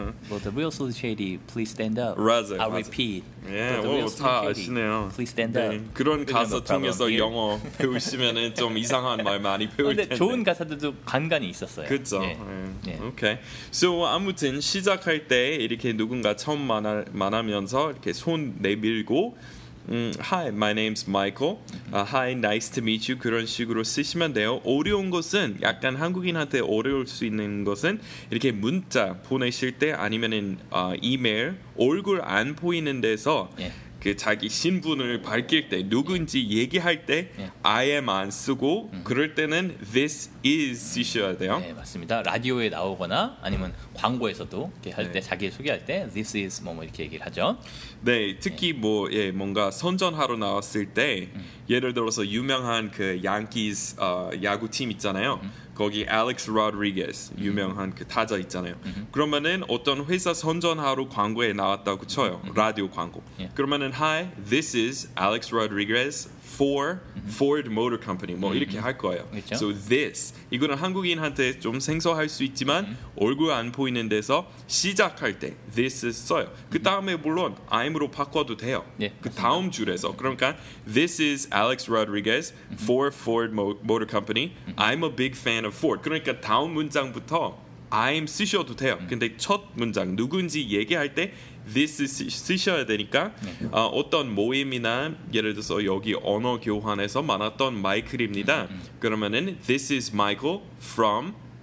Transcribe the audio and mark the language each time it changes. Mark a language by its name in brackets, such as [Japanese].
[English] Well, the real Slim Shady, please stand up. [Korean] 맞아요. [English] I'll repeat. [Korean] Yeah, 다 아시네요. [English] Please stand up. [Korean] 그런 가사 통해서 영어 배우시면 좀 이상한 말 많이 배울 텐데. 좋은 가사들도 간간이 있었어요. 그렇죠. [English] Okay. So, [Korean] 아무튼 시작할 때 이렇게 누군가 처음 만나면서 이렇게 손 내밀고 [English] Hi, my name's Michael. Hi, nice to meet you. [Korean] 그런 식으로 쓰시면 돼요. 어려운 것은 약간 한국인한테 어려울 수 있는 것은 이렇게 문자 보내실 때 아니면은 이메일 얼굴 안 보이는 데서 [English] yeah. [Korean] 그 자기 신분을 밝힐 때 누군지 yeah. 얘기할 때 [English] yeah. I am [Korean] 안 쓰고 그럴 때는 [English] this is [Korean] 쓰셔야 돼요. 네, 맞습니다. 라디오에 나오거나 아니면 광고에서도 이렇게 할 때 네. 자기 소개할 때 [English] this is [Korean] 뭐 이렇게 얘기를 하죠. 네, 특히 네. 뭐 예, 뭔가 선전하러 나왔을 때 예를 들어서 유명한 그 양키스 야구팀 있잖아요. 거기 알렉스 로드리게스 유명한 그 타자 있잖아요. 그러면은 어떤 회사 선전하러 광고에 나왔다고 쳐요. 라디오 광고. [English] Yeah. [Korean] 그러면은 [English] Hi, this is Alex Rodriguez for Ford Motor Company. [Korean] 뭐 이렇게 할 거예요. 그쵸? [English] So this. [Korean] 이거는 한국인한테 좀 생소할 수 있지만 얼굴 안 보이는 데서 시작할 때 [English] this is [Korean] 써요. 그 다음에 물론 [English] I'm [Korean] 으로 바꿔도 돼요. 예, 그 다음 줄에서. 그러니까 [English] this is Alex Rodriguez for Ford Motor Company. I'm a big fan of Ford. [Korean] 그러니까 다음 문장부터 [English] I'm [Korean] 쓰셔도 돼요. 근데 첫 문장 누군지 얘기할 때 [English] this is [Korean] 쓰셔야 되니까 네. 어떤 모임이나 예를 들어서 여기 언어 교환에서 만났던 마이클입니다. 그러면은 [English] this is Michael from